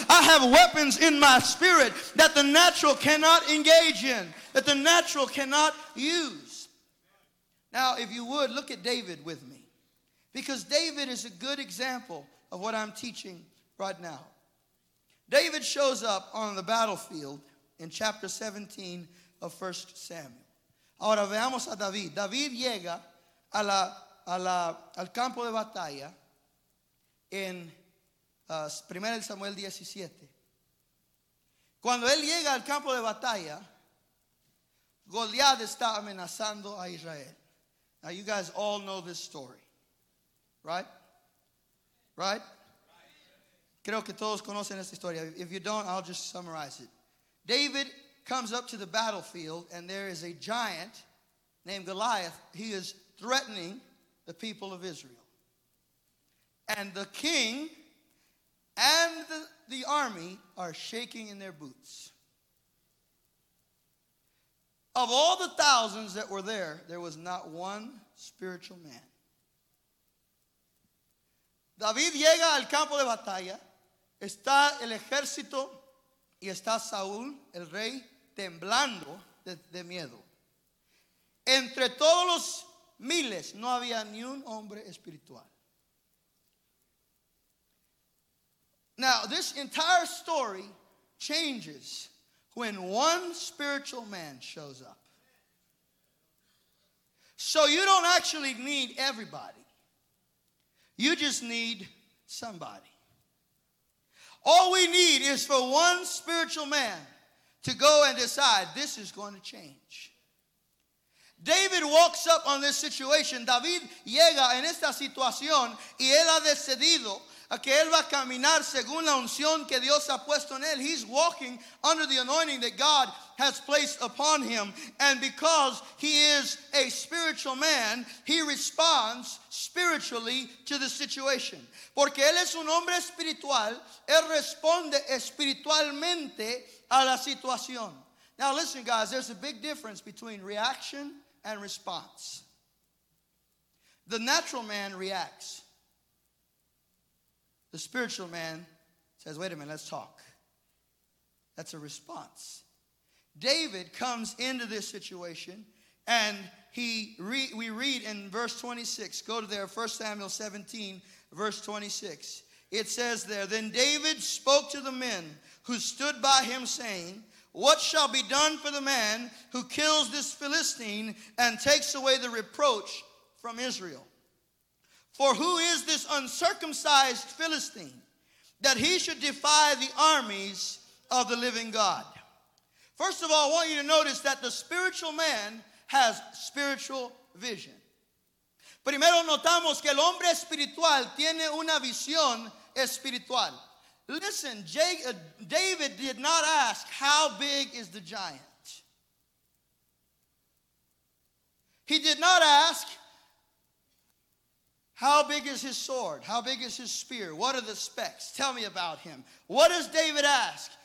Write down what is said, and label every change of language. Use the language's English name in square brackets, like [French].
[English] I have weapons in my spirit that the natural cannot engage in, that the natural cannot use. Now, if you would, look at David with me, because David is a good example of what I'm teaching right now. David shows up on the battlefield in chapter 17 of 1 Samuel. [Spanish] Ahora veamos a David. David llega al campo de batalla en 1 Samuel 17. Cuando él llega al campo de batalla, Goliat está amenazando a Israel. [English] Now, you guys all know this story, right? Right? [Spanish] Creo que todos conocen esta historia. [English] If you don't, I'll just summarize it. David comes up to the battlefield, and there is a giant named Goliath. He is threatening the people of Israel. And the king and the army are shaking in their boots. Of all the thousands that were there, there was not one spiritual man. [Spanish] David llega al campo de batalla. Está el ejército y está Saúl, el rey, temblando de miedo. Entre todos los miles, no había ni un hombre espiritual. [English] Now, this entire story changes when one spiritual man shows up. So you don't actually need everybody. You just need somebody. All we need is for one spiritual man to go and decide this is going to change. David walks up on this situation. [Spanish] David llega en esta situación y él ha decidido que él va a caminar según la unción que Dios ha puesto en él. [English] He's walking under the anointing that God has placed upon him. And because he is a spiritual man, he responds spiritually to the situation. [Spanish] Porque él es un hombre espiritual, él responde espiritualmente a la situación. [English] Now listen, guys, there's a big difference between reaction and response. The natural man reacts. The spiritual man says, wait a minute, let's talk. That's a response. David comes into this situation, and we read in verse 26. Go to there, 1 Samuel 17, verse 26. It says there, then David spoke to the men who stood by him, saying, what shall be done for the man who kills this Philistine and takes away the reproach from Israel? For who is this uncircumcised Philistine that he should defy the armies of the living God? First of all, I want you to notice that the spiritual man has spiritual vision. [Spanish] Primero notamos que el hombre espiritual tiene una visión espiritual. [English] Listen, David did not ask, how big is the giant? He did not ask, how big is his sword? How big is his spear? What are the specs? Tell me about him. What does David ask?